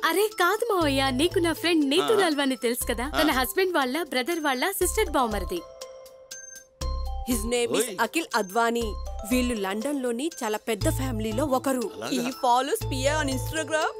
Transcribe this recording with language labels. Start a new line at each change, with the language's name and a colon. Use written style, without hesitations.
Telugu: అరే కాదు మావయ్య, నీకు నా ఫ్రెండ్ నీతు నల్వాని తెలుసు కదా. తన హస్బెండ్ వాళ్ళ బ్రదర్ వాళ్ళ సిస్టర్ బావమరిది.
English: His name is Akhil Advani.
Telugu: వీళ్ళు లండన్ లోని చాలా పెద్ద ఫ్యామిలీలో ఒకరు.
English: He follows Pia on Instagram.